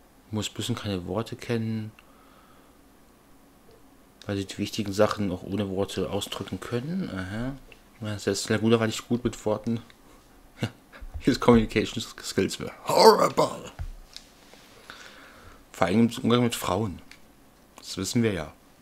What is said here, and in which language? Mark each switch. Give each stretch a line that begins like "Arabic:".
German: Muss bisschen keine Worte kennen, weil sie die wichtigen Sachen auch ohne Worte ausdrücken können. Aha. Das ist ja gut, aber nicht gut mit Worten.
English: His communication skills were horrible.
German: Vor allem im Umgang mit Frauen. Das wissen wir ja.